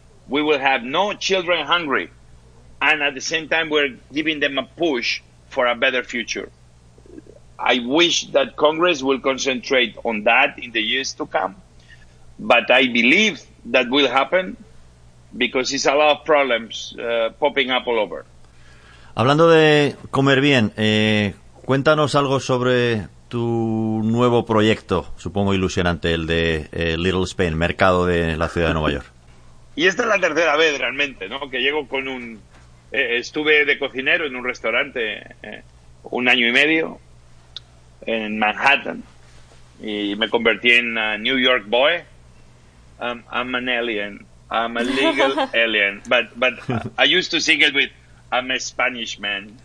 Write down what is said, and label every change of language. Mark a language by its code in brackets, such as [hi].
[en] We will have no children hungry, and at the same time we're giving them a push for a better future. I wish that Congress will concentrate on that in the years to come, but I believe that will happen because it's a lot of problems popping up all over. [es] Hablando de comer bien, cuéntanos algo sobre tu nuevo proyecto, supongo ilusionante, el de Little Spain, mercado de la ciudad de Nueva York. Y esta es la tercera vez realmente, ¿no? Que llego con un... estuve de cocinero en un restaurante un año y medio en Manhattan y me convertí en [en] New York boy. I'm an alien. I'm a legal alien, but I used to sing it with, I'm a Spanish man.